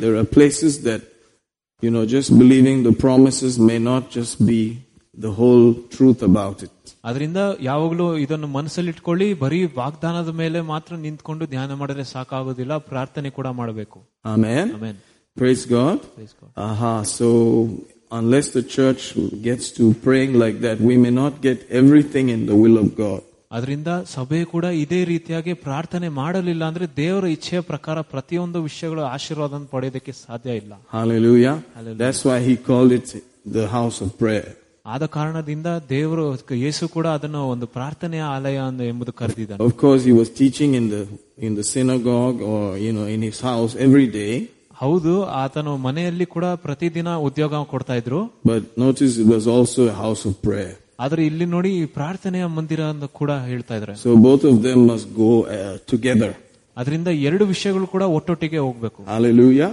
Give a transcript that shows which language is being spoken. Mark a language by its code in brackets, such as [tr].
[en] There are places that you know just believing the promises may not just be the whole truth about it. [kn] ಅದರಿಂದ ಯಾವಾಗಲೂ ಇದನ್ನು ಮನಸ್ಸಲ್ಲಿಟ್ಕೊಳ್ಳಿ, ಬರೀ ವಾಗ್ದಾನದ ಮೇಲೆ ಮಾತ್ರ ನಿಂತ್ಕೊಂಡು ಧ್ಯಾನ ಮಾಡಿದ್ರೆ ಸಾಕಾಗೋದಿಲ್ಲ, ಪ್ರಾರ್ಥನೆ ಕೂಡ ಮಾಡಬೇಕು. ಆಮೆನ್. ಆಮೆನ್. [en] Praise God. ಆಹಾ. So unless the church gets to praying like that, we may not get everything in the will of God. [kn] ಅದರಿಂದ ಸಭೆ ಕೂಡ ಇದೇ ರೀತಿಯಾಗಿ ಪ್ರಾರ್ಥನೆ ಮಾಡಲಿಲ್ಲ ಅಂದ್ರೆ ದೇವರ ಇಚ್ಛೆಯ ಪ್ರಕಾರ ಪ್ರತಿಯೊಂದು ವಿಷಯಗಳ ಆಶೀರ್ವಾದ ಪಡೆಯೋದಕ್ಕೆ ಸಾಧ್ಯ ಇಲ್ಲ. [en] Hallelujah. That's why he called it the house of prayer. [kn] ಆದ ಕಾರಣದಿಂದ ದೇವರು ಯೇಸು ಕೂಡ ಅದನ್ನು ಒಂದು ಪ್ರಾರ್ಥನೆಯ ಆಲಯ ಎಂಬುದು ಕರೆದಿದ್ದಾರೆ. [en] Of course he was teaching in the synagogue or you know in his house every day. [kn] ಹೌದು, ಆತನು ಮನೆಯಲ್ಲಿ ಕೂಡ ಪ್ರತಿದಿನ ಉದ್ಯೋಗ ಕೊಡ್ತಾ ಇದ್ರು. [en] But notice it was also house of prayer. [kn] ಆದ್ರೆ ಇಲ್ಲಿ ನೋಡಿ ಈ ಪ್ರಾರ್ಥನೆಯ ಮಂದಿರ ಅಂತ ಕೂಡ ಹೇಳ್ತಾ ಇದ್ರೆ. [en] So both of them must go together. [kn] ಅದರಿಂದ ಎರಡು ವಿಷಯಗಳು ಕೂಡ ಒಟ್ಟೊಟ್ಟಿಗೆ ಹೋಗಬೇಕು. ಹಲ್ಲೆಲೂಯಾ.